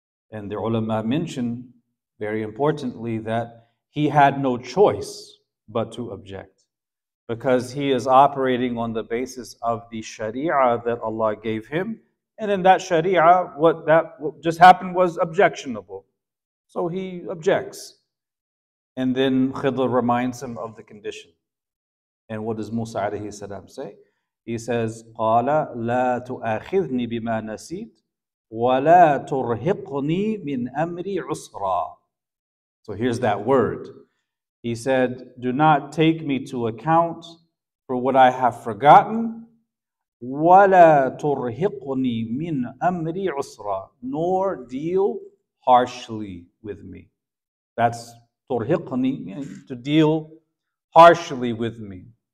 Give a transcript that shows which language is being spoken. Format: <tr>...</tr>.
<en>And the ulama mention, very importantly, that he had no choice but to object, because he is operating on the basis of the sharia that Allah gave him. And in that sharia, what just happened was objectionable. So he objects. And then Khidr reminds him of the condition. And what does Musa alayhi salam say? He says,</en> <ar>قَالَ لَا تُؤَخِذْنِي بِمَا نَسِيتْ وَلَا تُرْهِقْنِي مِنْ أَمْرِي عُسْرًا.</ar> <en>So here's that word. He said, do not take me to account for what I have forgotten.</en> <ar>وَلَا تُرْهِقْنِي مِنْ أَمْرِي عُسْرًا.</ar> <en>Nor deal harshly with me. That's تُرْهِقْنِي, to deal harshly with me.</en>